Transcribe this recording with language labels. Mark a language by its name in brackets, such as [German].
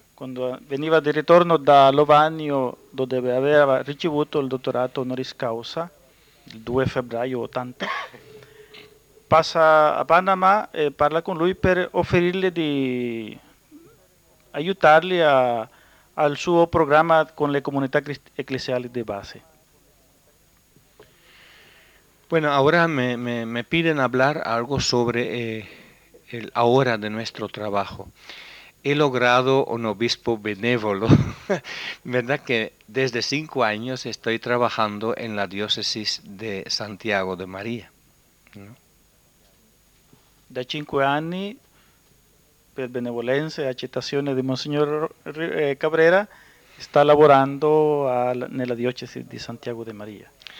[Italian] Quando veniva di ritorno da Lovanio, dove aveva ricevuto il dottorato honoris causa, il 2 febbraio 80, passa a Panama e parla con lui per offrirgli di aiutarli al suo programma con le comunità ecclesiali di base. [Spanish] Bueno, ora me piden hablar algo sobre el ahora de nuestro trabajo. He logrado un obispo benévolo, ¿verdad? Que desde 5 años estoy trabajando en la diócesis de Santiago de María, ¿no? [Italian] Da 5 anni, per benevolenza e accettazione di Monsignor Cabrera, sta lavorando nella diocesi di Santiago de María.